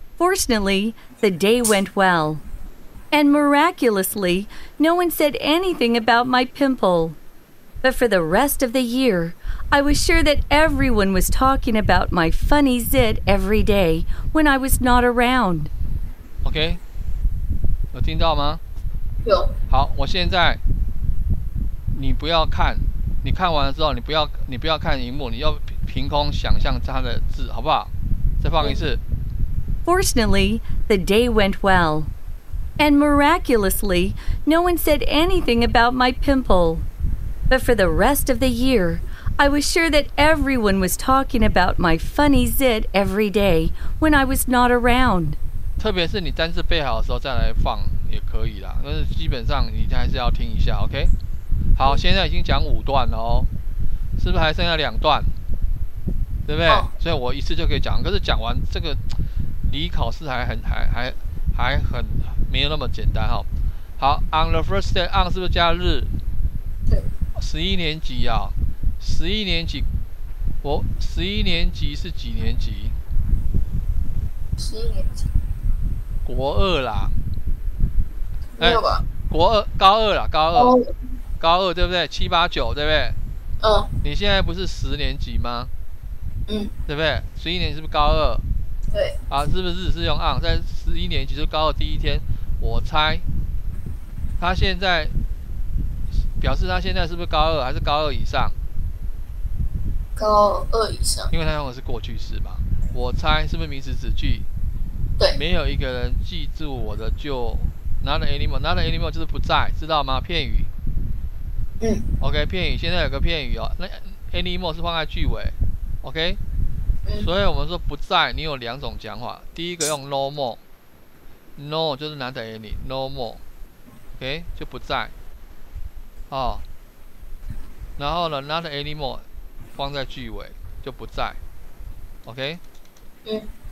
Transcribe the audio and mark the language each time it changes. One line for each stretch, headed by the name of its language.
English: Fortunately, the day went well, and miraculously, no one said anything about my pimple. But for the rest of the year, I was sure that everyone was talking about my funny zit every day when I was not around.
Chinese: OK， 有听到吗？有。好，我现在你不要看，你看完了之后你不要看荧幕，你要凭空想象它的字，好不好？再放一次。
English: Fortunately, the day went well, and miraculously, no one said anything about my pimple. But for the rest of the year, I was sure that everyone was talking about my funny zit every day when I was not around.
Chinese: 特别是你单字背好的时候再来放。也可以啦，但是基本上你还是要听一下 ，OK？好，现在已经讲五段了哦，是不是还剩下两段？对不对？所以我一次就可以讲，可是讲完这个离考试还很没有那么简单哈、哦。好 ， on the first day on 是不是加日？对。十一年级啊、哦，十一年级，我十一年级是几年级？十一年级。国二啦。没有吧？国二，高二啦，高二，高二对不对？七八九对不对？嗯。你现在不是十年级吗？嗯。对不对？十一年级是不是高二？对。啊，是不是日是用 on 在十一年级，就是高二第一天？我猜，他现在表示他现在是不是高二，还是高二以上？高二以上。因为他用的是过去式嘛，我猜是不是名词子句？对。没有一个人记住我的就。 Not anymore, not anymore 就是不在，知道吗？片语。嗯。 OK， 片语，现在有个片语哦。那 anymore 是放在句尾 ，OK？、嗯、所以我们说不在，你有两种讲法。第一个用 no more，no 就是 not any，no more，OK、okay? 就不在。哦。然后呢 ， not anymore 放在句尾就不在 ，OK？嗯。